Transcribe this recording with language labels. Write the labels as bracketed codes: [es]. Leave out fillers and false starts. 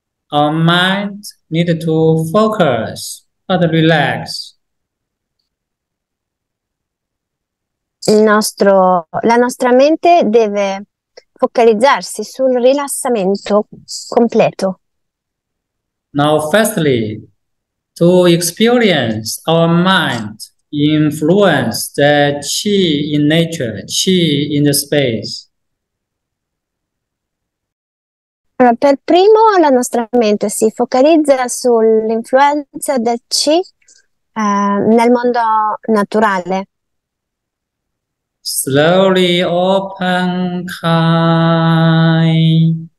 [en] Our mind need to focus, but relax. [it] La nostra mente deve focalizzarsi sul rilassamento completo. [en] Now, firstly, to experience our mind influence the chi in nature, chi in the space. [it] Per primo la nostra mente si focalizza sull'influenza del chi nel mondo naturale. [en] Slowly open kai.